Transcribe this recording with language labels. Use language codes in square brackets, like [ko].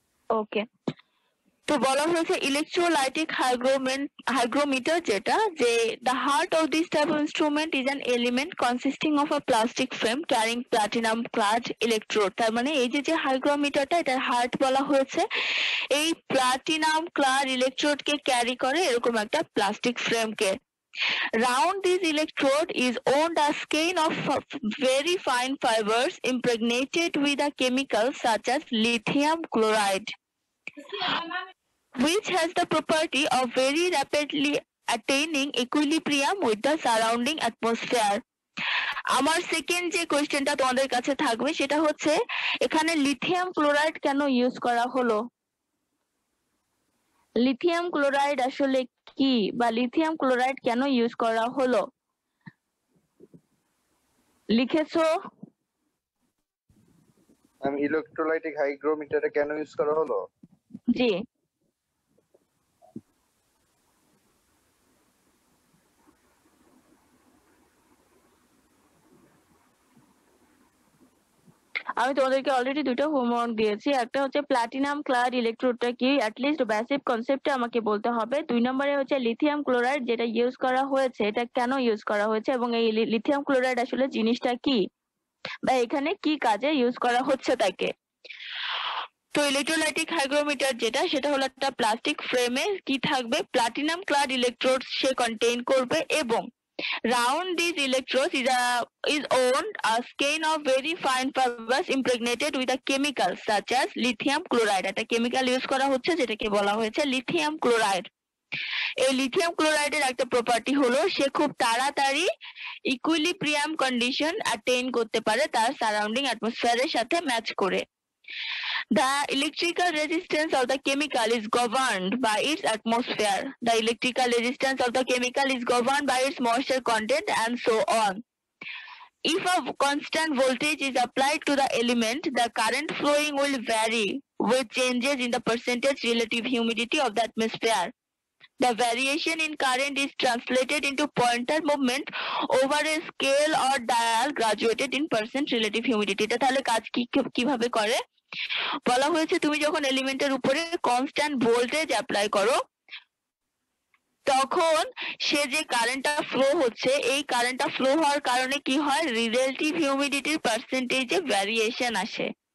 [en] okay, [bn] তো বলা হয়েছে ইলেকট্রোলাইটিক হাইগ্রোমিটার যেটা, যে [en] The heart of this type of instrument is an element consisting of a plastic frame carrying platinum clad electrode. [bn] তার মানে এই যে হাইগ্রোমিটারটা এটার হার্ট বলা হয়েছে এই প্লাটিনাম ক্লাড ইলেকট্রোড কে ক্যারি করে এরকম একটা plastic frame K. [en] Round this electrode is wound a skein of very fine fibers impregnated with a chemical such as lithium chloride, which has the property of very rapidly attaining equilibrium with the surrounding atmosphere. [bn] আমার second যে কোয়েশ্চেনটা তোমাদের কাছে থাকবে সেটা হচ্ছে এখানে lithium chloride কেন ইউজ করা হলো? লিথিয়াম ক্লোরাইড আসলে কি বা লিথিয়াম ক্লোরাইড কেন ইউজ করা হলো? লিখেছো? আমি ইলেকট্রোলাইটিক হাইগ্রোমিটারে কেন ইউজ করা হলো? জি আমি তোমাদেরকে অলরেডি দুটো হোমওয়ার্ক দিয়েছি, একটা হচ্ছে প্লাটিনাম ক্লাড ইলেকট্রোডটা কি, অ্যাটলিস্ট বেসিক কনসেপ্টটা আমাকে বলতে হবে। দুই নম্বরে হচ্ছে লিথিয়াম ক্লোরাইড যেটা ইউজ করা হয়েছে এটা কেন ইউজ করা হয়েছে এবং এই লিথিয়াম ক্লোরাইড আসলে জিনিসটা কি বা এখানে কি কাজে ইউজ করা হচ্ছে তাকে। তো ইলেকট্রোলাইটিক হাইগ্রোমিটার যেটা সেটা হলো একটা প্লাস্টিক ফ্রেমে কি থাকবে প্লাটিনাম ক্লাড ইলেকট্রোড সে কন্টেইন করবে এবং [en] Round these electrodes is owned a skein of very fine fibers impregnated with a chemical such as lithium chloride. [bn] এটা chemical use করা হচ্ছে যেটাকে বলা হয়েছে lithium chloride. এই lithium chloride এর একটা property হলো সে খুব তাড়াতাড়ি equilibrium condition attain করতে পারে তার surrounding atmosphere এর সাথে match করে. [en] The electrical resistance of the chemical is governed by its atmosphere. The electrical resistance of the chemical is governed by its moisture content and so on. If a constant voltage is applied to the element, the current flowing will vary with changes in the percentage relative humidity of the atmosphere. The variation in current is translated into pointer movement over a scale or dial graduated in percent relative humidity. [bn] তাহলে কাজ কিভাবে করে? বলা হয়েছে তুমি যখন এলিমেন্টের উপরে কনস্ট্যান্ট ভোল্টেজ অ্যাপ্লাই করো তখন সে যে কারেন্টটা ফ্লো হচ্ছে এই কারেন্টটা ফ্লো হওয়ার কারণে কি হয় রিলেটিভ হিউমিডিটির পার্সেন্টেজে ভ্যারিয়েশন আসে